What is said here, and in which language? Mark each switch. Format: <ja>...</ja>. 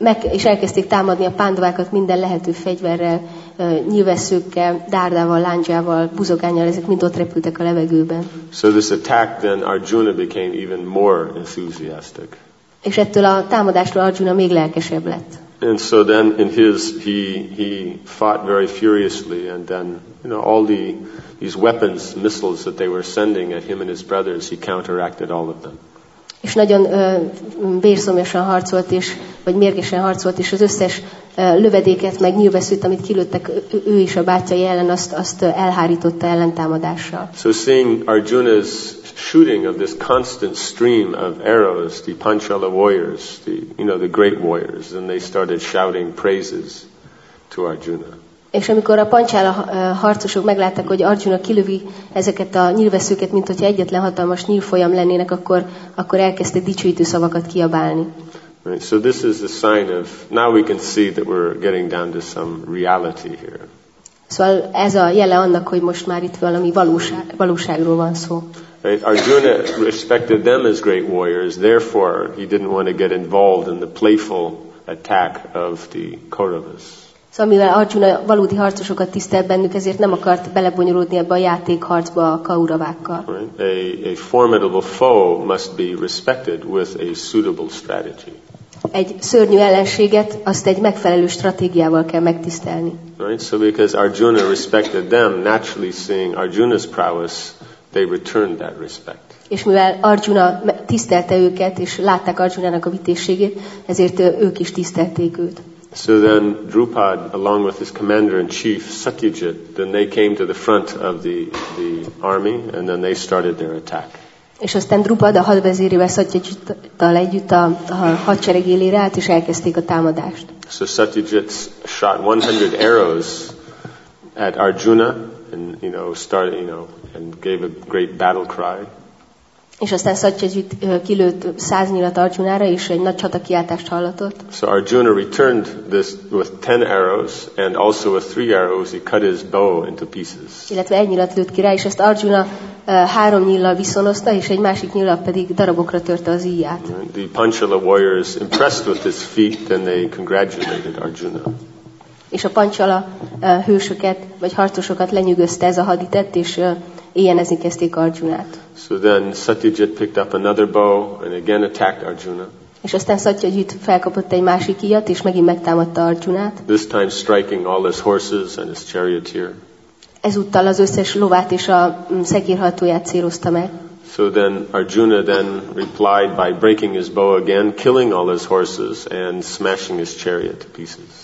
<hu>És elkezdték támadni a pándvákat minden lehető fegyverrel, nyilvesszőkkel, dárdával, lándzsával, buzogánnyal, ezek mind ott repültek a levegőben.</hu> <en>So this attack, then Arjuna became even more enthusiastic.</en> <hu>És ettől a támadástól Arjuna még lelkesebb lett.</hu> <en>And so then in his he fought very furiously, and then, you know, all the these weapons, missiles that they were sending at him and his brothers, he counteracted all of them.</en> <hu>És nagyon vérszomjasan harcolt is, vagy mérgesen harcolt is, az összes lövedéket, meg nyilvesszőt, amit kilőttek ő és a bátyai ellen, azt elhárította ellentámadással.</hu> <en>So seeing Arjuna's shooting of this constant stream of arrows, the Panchala warriors, the, you know, the great warriors, and they started shouting praises to Arjuna.</en> <hu>És amikor a Panchala harcosok megláttak, hogy Arjuna kilövi ezeket a nyilvesszőket, mint hogyha egyetlen hatalmas nyílfolyam lennének, akkor elkezdte dicsőítő szavakat kiabálni.</hu> <en>Right, so this is the sign of, now we can see that we're getting down to some reality here.</en> <hu>Szóval ez a jele annak, hogy most már itt valami valóságról van szó.</hu> <en>Right, Arjuna respected them as great warriors, therefore he didn't want to get involved in the playful attack of the Kauravas.</en> <hu>Szóval mivel Arjuna valódi harcosokat tisztelt bennük, ezért nem akart belebonyolódni ebbe a játékharcba a kauravákkal.</hu> <en>Right. A formidable foe must be respected with a suitable strategy.</en> <hu>Egy szörnyű ellenséget, azt egy megfelelő stratégiával kell megtisztelni.</hu> <en>Right. So because Arjuna respected them, naturally seeing Arjuna's prowess, they returned that respect.</en> <hu>És mivel Arjuna tisztelte őket, és látták Arjunának a vitézségét, ezért ők is tisztelték őt.</hu> <en>So then Drupad, along with his commander-in-chief, Satyajit, then they came to the front of the army, and then they started their attack.</en> <hu>És aztán Drupad a hadvezérével, Satyajittal együtt a hadsereg élére állt, és elkezdték a támadást.</hu> <en>So Satyajit shot 100 arrows at Arjuna, and, you know, started, you know, and gave a great battle cry.</en> <hu>És aztán Satyajit kilőtt 100 nyilat Arjunára, és egy nagy csatakiáltást hallatott.</hu> <en>So Arjuna returned this with 10 arrows, and also with 3 arrows he cut his bow into pieces.</en> <hu>Illetve egy nyilat lőtt ki rá, és ezt Arjuna 3 nyillal viszonozta, és egy másik nyillal pedig darabokra törte az íját.</hu> <en>The Panchala warriors, impressed with his feat, then they congratulated Arjuna.</en> <hu>És a Panchala hősöket, vagy harcosokat lenyűgözte ez a haditett, és éjjelezni kezdték Arjunát.</hu> <en>So then Satyajit picked up another bow and again attacked Arjuna.</en> <hu>És aztán Satyajit felkapott egy másik íjat, és megint megtámadta Arjunát.</hu> <en>This time striking all his horses and his charioteer.</en> <hu>Ezúttal az összes lovát és a szekérhajtóját célozta meg.</hu> <en>So then Arjuna then replied by breaking his bow again, killing all his horses and smashing his chariot to pieces.</en>